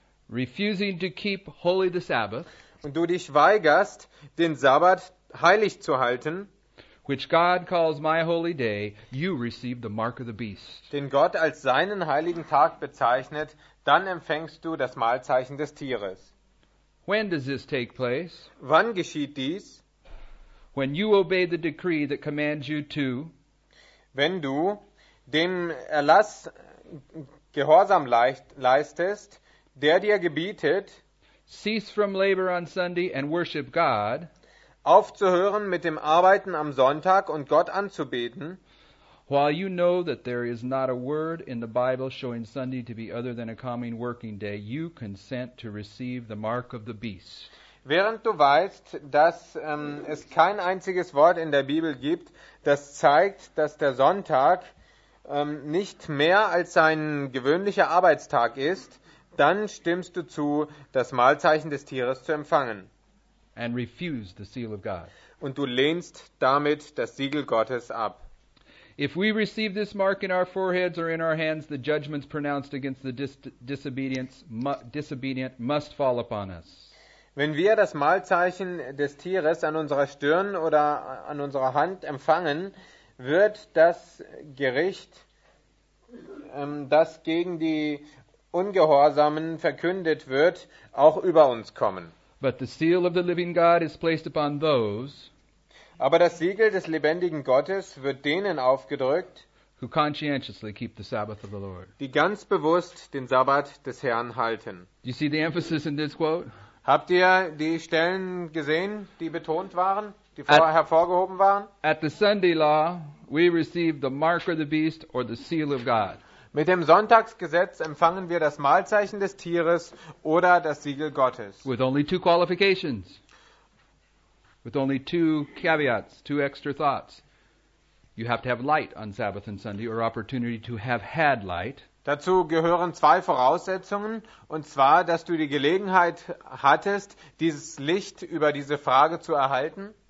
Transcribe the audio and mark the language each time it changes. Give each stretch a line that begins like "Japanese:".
English: refusing to keep holy the Sabbath,
German: und du dich weigerst, den Sabbat heilig zu halten,
English: which God calls my holy day, you receive the mark of the beast.
German: Den Gott als seinen heiligen Tag bezeichnet, dann empfängst du das Mahlzeichen des Tieres.
English: When does this take place?
German: Wann geschieht dies?
English: When you obey the decree that commands you to.
German: Wenn du dem Erlass Gehorsam leistest, der dir gebietet,
English: cease from labor on Sunday and worship God,
German: aufzuhören mit dem Arbeiten am Sonntag und Gott anzubeten,
English: while you know that there is not a word in the Bible showing Sunday to be other than a common working day, you consent to receive the mark of the beast.
German: Während du weißt, dass es kein einziges Wort in der Bibel gibt, das zeigt, dass der Sonntag nicht mehr als ein gewöhnlicher Arbeitstag ist, dann stimmst du zu, das Mahlzeichen des Tieres zu empfangen.
English: And refuse the seal of God.
German: Und du lehnst damit das Siegel Gottes ab.
English: If we receive this mark in our foreheads or in our hands, the judgments pronounced against the disobedient must fall upon us.
German: Wenn wir das Mahlzeichen des Tieres an unserer Stirn oder an unserer Hand empfangen, wird das Gericht, das gegen die Ungehorsamen verkündet wird, auch über uns kommen.
English: But the seal of the living God is placed upon those.
German: Aber das Siegel des lebendigen Gottes wird denen aufgedrückt,
English: who conscientiously keep the Sabbath of the Lord.
German: Die ganz bewusst den Sabbat des Herrn halten.
English: Do you see the emphasis in this quote?
German: Habt ihr die Stellen gesehen, die betont waren? die vorher hervorgehoben waren.
English: At the Sunday law, we receive the mark of the beast or the seal of God.
German: Mit dem Sonntagsgesetz empfangen wir das Malzeichen des Tieres oder das Siegel Gottes.
English: With only two qualifications. With only two caveats, two extra thoughts. You have to have light on Sabbath and Sunday or opportunity to have had light.
German: Dazu gehören zwei Voraussetzungen, und zwar, dass du die Gelegenheit hattest, dieses Licht über diese Frage zu erhalten.